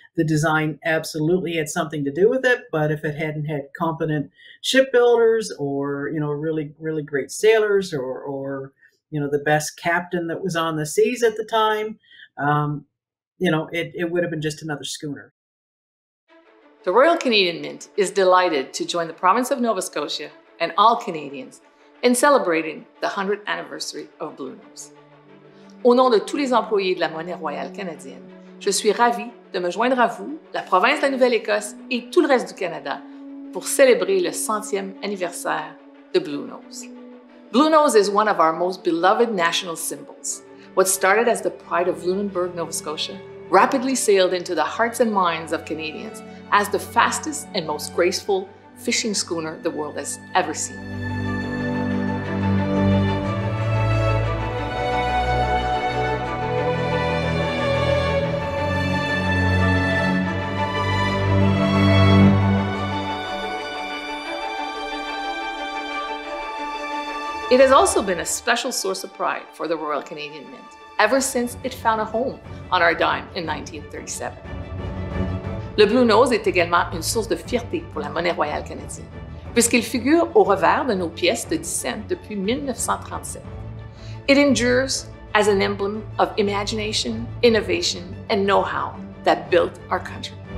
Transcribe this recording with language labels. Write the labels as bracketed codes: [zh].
[en] The design absolutely had something to do with it, but if it hadn't had competent shipbuilders or, you know, really, really great sailors or, you know, the best captain that was on the seas at the time, it would have been just another schooner. The Royal Canadian Mint is delighted to join the province of Nova Scotia and all Canadians in celebrating the 100th anniversary of Bluenose. [fr] Au nom de tous les employés de la monnaie royale canadienne, je suis ravie de me joindre à vous, la province de la Nouvelle-Écosse et tout le reste du Canada pour célébrer le 100th anniversaire de Bluenose. [en] Bluenose is one of our most beloved national symbols. What started as the pride of Lunenburg, Nova Scotia, rapidly sailed into the hearts and minds of Canadians as the fastest and most graceful fishing schooner the world has ever seen. It has also been a special source of pride for the Royal Canadian Mint ever since it found a home on our dime in 1937. [fr] Le Bluenose est également une source de fierté pour la monnaie royale canadienne, puisqu'il figure au revers de nos pièces de 10 cents depuis 1937. [en] It endures as an emblem of imagination, innovation, and know-how that built our country.